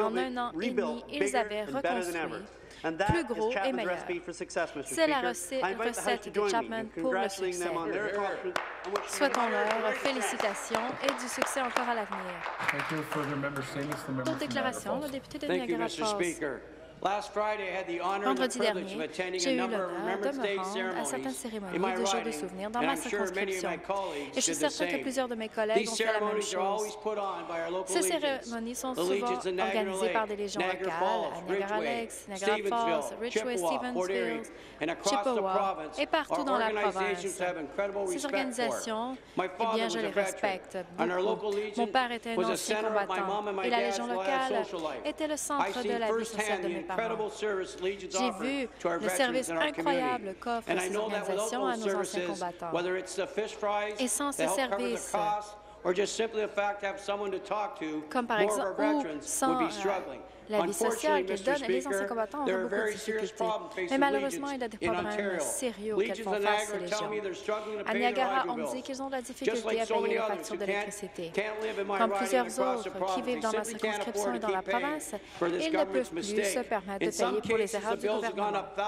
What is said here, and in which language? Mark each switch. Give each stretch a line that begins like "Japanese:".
French: En un an et demi, ils avaient reconstruit plus gros et meilleur. C'est la recette de Chapman pour le succès. Souhaitons-leur félicitations et du succès encore à l'avenir. Pour déclaration, le député de Niagara Falls.
English: Last Friday, I had the honor
French: Vendredi
English: and the privilege of attending a number of Remembrance Day ceremonies in my riding,
French: de souvenir dans ma circonscription.
English: And I'm sure many of my colleagues did the same. These ceremonies are always put on by our local legions. The legions in Niagara Lakes, Niagara Falls, Ridgeway, Stevensville, Port Erie, and across Chippewa, the province, our organizations have incredible respect for. My father was a veteran, and our local legion was a center of my mom and my dad's social life. I've seen firsthand the incredible service legions offer to our veterans and our community. And I know that without those services, whether it's the fish fries that help cover the cost, or just simply the fact to have someone to talk to, more of our veterans would be struggling.
French: La vie sociale qu'ils donnent les anciens combattants ont beaucoup de difficultés. Mais malheureusement, il y a des problèmes sérieux qu'elles font face aux légions. À Niagara, on me dit qu'ils ont de la difficulté à payer les factures d'électricité. Comme plusieurs autres qui vivent dans ma circonscription et dans la province, ils ne peuvent plus se permettre de payer pour les erreurs du gouvernement.